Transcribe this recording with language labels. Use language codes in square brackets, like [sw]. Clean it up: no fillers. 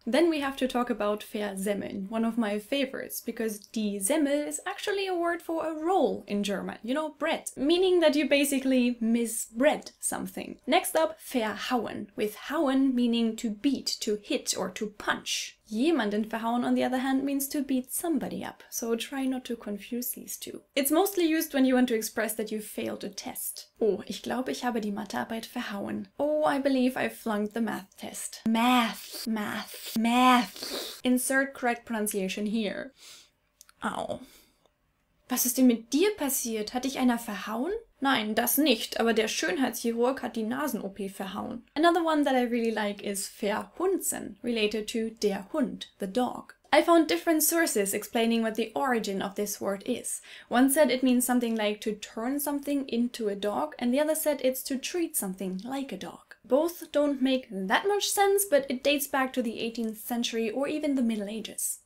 [en] Then we have to talk about versemmeln, one of my favorites, because die Semmel is actually a word for a roll in German, you know, bread, meaning that you basically misbread something. Next up, verhauen, with hauen meaning to beat, to hit, or to punch. [de] Jemanden verhauen, [en] on the other hand, means to beat somebody up, so try not to confuse these two. It's mostly used when you want to express that you failed a test. [de] Oh, ich glaube, ich habe die Mathearbeit verhauen. [en] Oh, I believe I flunked the math test. Math. Math. Math. Insert correct pronunciation here. Ow. [de] Was ist denn mit dir passiert? Hat dich einer verhauen? Nein, das nicht, aber der Schönheitschirurg hat die Nasen-OP verhauen. [en] Another one that I really like is verhunzen, related to der Hund, the dog. I found different sources explaining what the origin of this word is. One said it means something like to turn something into a dog, and the other said it's to treat something like a dog. Both don't make that much sense, but it dates back to the 18th century or even the Middle Ages.